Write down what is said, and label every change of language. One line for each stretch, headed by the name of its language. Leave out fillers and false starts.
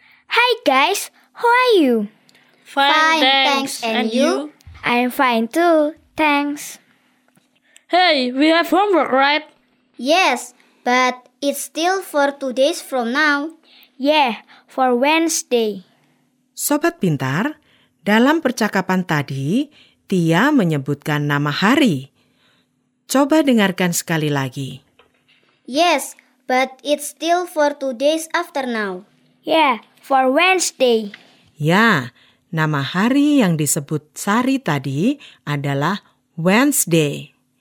English: Hi guys, how are you? Fine, thanks. And you? I'm fine too, thanks. Hey, we have homework, right? Yes, but it's still for 2 days from now. Yeah, for Wednesday.
Indonesian: Sobat Pintar, dalam percakapan tadi, Tia menyebutkan nama hari. Coba dengarkan sekali lagi.
English: Yes, but it's still for 2 days after now. Yeah, for Wednesday.
Indonesian: Ya, nama hari yang disebut Sari tadi adalah Wednesday.